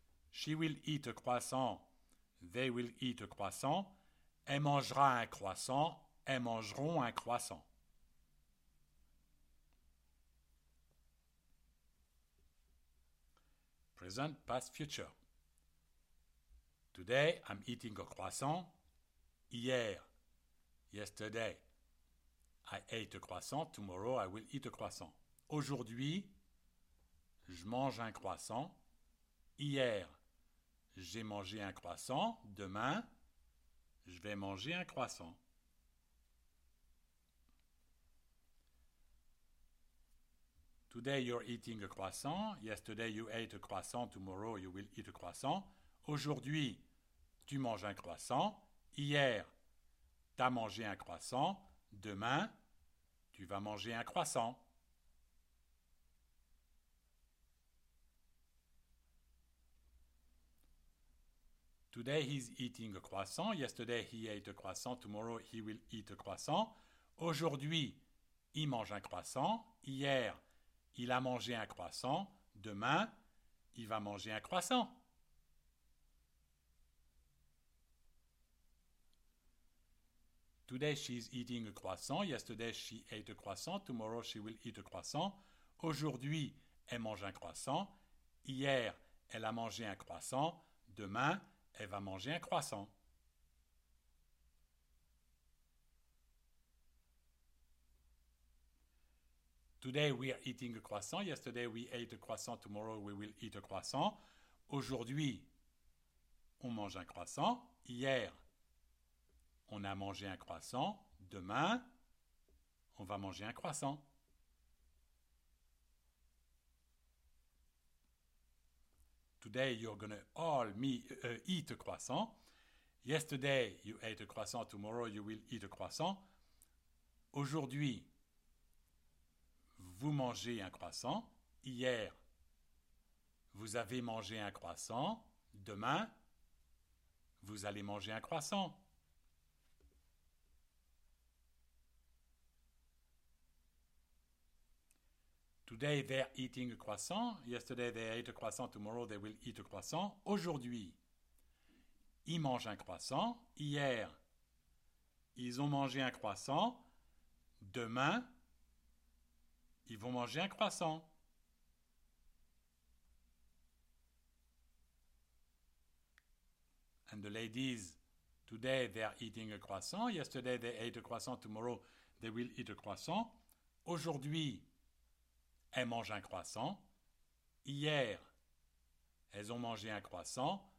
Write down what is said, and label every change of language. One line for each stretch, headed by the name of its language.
English: She will eat a croissant. They will eat a croissant.
French: Elle mangera un croissant. Elles mangeront un croissant.
English: Present, past, future. Today, I'm eating a croissant. Hier, yesterday, I ate a croissant. Tomorrow, I will eat a croissant.
French: Aujourd'hui, je mange un croissant. Hier, j'ai mangé un croissant. Demain, je vais manger un croissant.
English: Today, you're eating a croissant. Yesterday, you ate a croissant. Tomorrow, you will eat a croissant.
French: Aujourd'hui, tu manges un croissant. Hier, t'as mangé un croissant. Demain, tu vas manger un croissant.
English: Today, he's eating a croissant. Yesterday, he ate a croissant. Tomorrow, he will eat a croissant.
French: Aujourd'hui, il mange un croissant. Hier, il a mangé un croissant. Demain, il va manger un croissant.
English: Today she's eating a croissant. Yesterday she ate a croissant. Tomorrow she will eat a croissant.
French: Aujourd'hui, elle mange un croissant. Hier, elle a mangé un croissant. Demain, elle va manger un croissant.
English: Today we are eating a croissant. Yesterday we ate a croissant. Tomorrow we will eat a croissant.
French: Aujourd'hui, on mange un croissant. Hier, on a mangé un croissant. Demain, on va manger un croissant.
English: Today, you're going to all eat a croissant. Yesterday, you ate a croissant. Tomorrow, you will eat a croissant.
French: Aujourd'hui, vous mangez un croissant. Hier, vous avez mangé un croissant. Demain, vous allez manger un croissant.
English: Today they're eating a croissant. Yesterday they ate a croissant. Tomorrow they will eat a croissant.
French: Aujourd'hui, ils mangent un croissant. Hier, ils ont mangé un croissant. Demain, ils vont manger un croissant.
English: And the ladies, today they're eating a croissant. Yesterday they ate a croissant. Tomorrow they will eat a croissant.
French: Aujourd'hui, elles mangent un croissant. Hier, elles ont mangé un croissant.